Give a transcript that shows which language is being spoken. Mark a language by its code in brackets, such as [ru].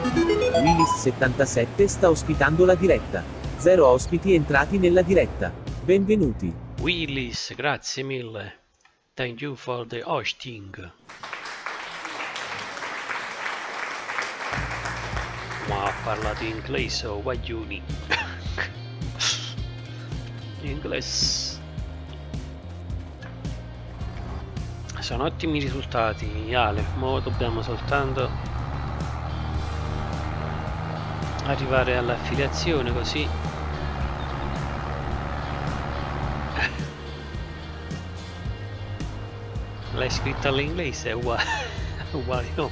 [it] Willis 77 sta ospitando la diretta. Zero ospiti entrati nella diretta. Benvenuti. Willis, grazie mille. [en] Thank you for the hosting. [it] Ma ha parlato inglese o guaglioni? Inglese. Sono ottimi risultati, Ale. Mo dobbiamo soltanto arrivare all'affiliazione, così l'hai scritta all'inglese, è uguale.